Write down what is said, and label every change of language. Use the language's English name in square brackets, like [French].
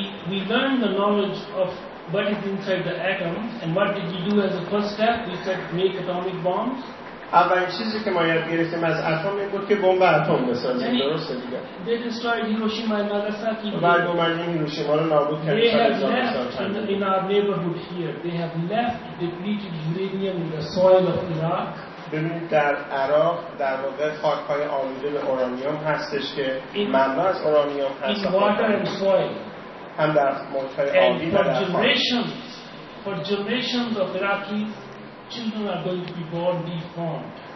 [English] We learned the knowledge of what is inside the atom, and what did we do as a first step? We said make atomic bombs. [Persian] اولین چیزی که ما یاد گرفتیم از اتم این بود که بمب اتم بسازیم. درسته دیگه. [English] They destroyed Hiroshima and Nagasaki. [Persian] بعد اومدیم هیروشیما رو نابود کردیم. [English] They have left in our neighborhood here. They have left depleted uranium in the soil of Iraq. [Persian] ببینید در عراق در واقع خاک‌های آلوده به اورانیوم هستش که مملو از اورانیوم هست. [English] In water and soil. [Persian] هم در محیط‌های آبی و در خاک. [English] And for generations, of Iraqis, children are going to be born deformed.